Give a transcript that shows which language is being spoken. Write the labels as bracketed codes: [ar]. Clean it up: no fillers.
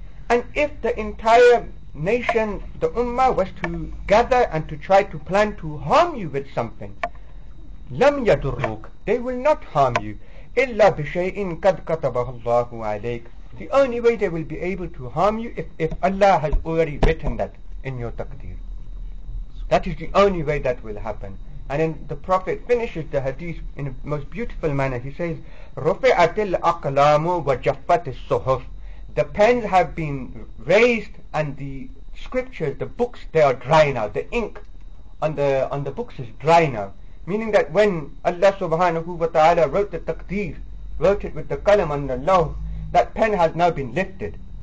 [en] And if the entire nation, the ummah, was to gather and to try to plan to harm you with something, [ar] لَمْ يَدُرُّوكَ, [en] they will not harm you, [ar] إِلَّا بِشَيْءٍ قَدْ كَتَبَهُ اللَّهُ عَلَيْكَ. [en] The only way they will be able to harm you if Allah has already written that in your taqdeer. That is the only way that will happen. And then the Prophet finishes the hadith in a most beautiful manner. He says, [ar] رُفِعَتِ الْأَقْلَامُ وَجَفَّتِ الصُّحُفِ. [en] The pens have been raised and the scriptures, the books, they are dry now. The ink on the books is dry now. Meaning that when Allah subhanahu wa ta'ala wrote the taqdeer, wrote it with the qalam on the lawh, that pen has now been lifted.